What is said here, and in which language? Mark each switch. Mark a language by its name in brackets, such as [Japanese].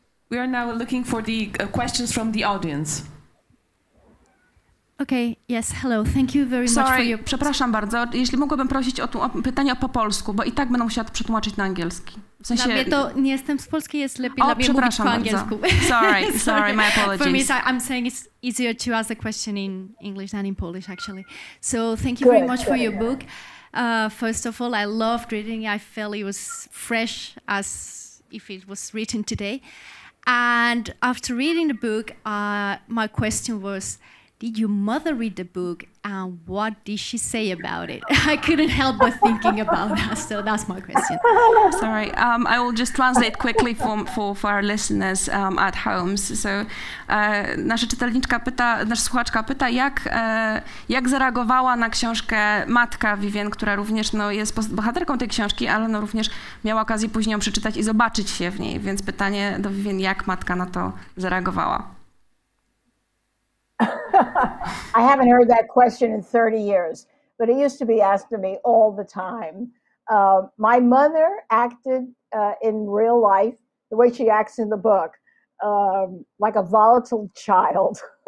[English] We are now looking for the questions from the audience. Okay, yes, hello. Thank you very much for your... [Polish] Przepraszam bardzo, jeśli mogłabym prosić o pytanie po polsku, bo i tak będę musiała to przetłumaczyć na angielski. W sensie... Dla mnie to nie jestem z Polski, jest lepiej dla mnie mówić po bardzo. Angielsku. [English] Sorry, my apologies. For me, I'm saying it's easier to ask a question in English than in Polish, actually. So thank you very much for your book. First of all, I loved reading it. I felt it was fresh as if it was written today. And after reading the book, my question was, did your mother read the book and what did she say about it? I couldn't help but thinking about that, so that's my question. Sorry, I will just translate quickly for our listeners at home. [Polish] So nasza czytelniczka pyta, nasza słuchaczka pyta, jak zareagowała na książkę matka Vivien, która również no, jest bohaterką tej książki, ale no, również miała okazję później ją przeczytać i zobaczyć się w niej. Więc pytanie do Vivien, jak matka na to zareagowała? [English] I haven't heard that question in 30 years, but it used to be asked of me all the time. My mother acted in real life the way she acts in the book, like a volatile child.